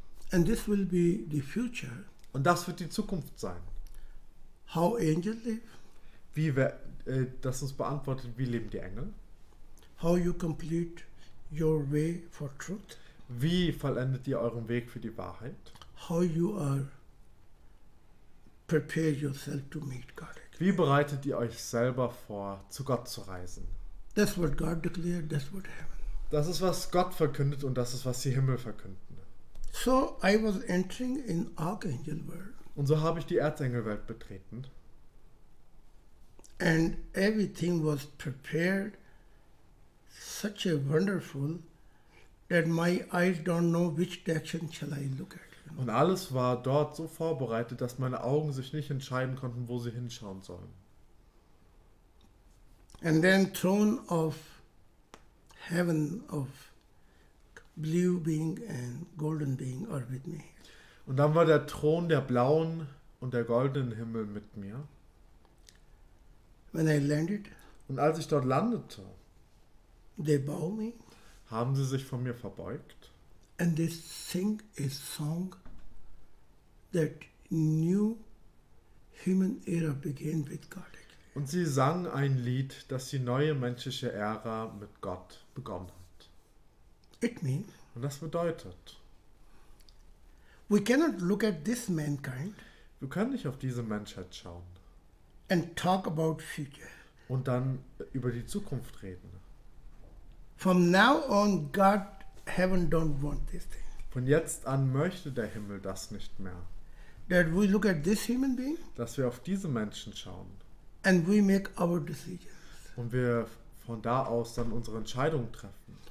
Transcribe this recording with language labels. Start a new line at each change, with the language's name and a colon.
English: And this will be the future.
German: Und das wird die Zukunft sein.
English: How angels live?
German: Wie wir, das uns beantwortet, wie leben die Engel?
English: How you complete your way for truth?
German: Wie vollendet ihr euren Weg für die Wahrheit?
English: How you are prepare yourself to meet God again.
German: Wie bereitet ihr euch selber vor, zu Gott zu reisen?
English: That's what God declared, that's what heaven.
German: Das ist, was Gott verkündet und das ist, was die Himmel verkünden.
English: So I was entering in archangel world.
German: Und so habe ich die Erzengelwelt betreten.
English: And everything was prepared such a wonderful that my eyes don't know which direction shall I look at.
German: Und alles war dort so vorbereitet, dass meine Augen sich nicht entscheiden konnten, wo sie hinschauen sollen.
English: And then throne of heaven of blue being and golden being are with me.
German: Und dann war der Thron der blauen und der goldenen Himmel mit mir.
English: When I landed.
German: Und als ich dort landete.
English: They bow me.
German: Haben Sie sich von mir verbeugt?
English: And they sing a song that new human era began with God.
German: Und sie sangen ein Lied, das die neue menschliche Ära mit Gott begonnen hat.
English: It means,
German: und das bedeutet,
English: we cannot look at this mankind,
German: wir können nicht auf diese Menschheit schauen
English: and talk about future.
German: Und dann über die Zukunft reden.
English: From now on, God, heaven don't want this thing.
German: Von jetzt an möchte der Himmel das nicht mehr.
English: That we look at this human being,
German: dass wir auf diese Menschen schauen.
English: And we make our decisions.
German: Und wir von da aus dann unsere Entscheidung treffen.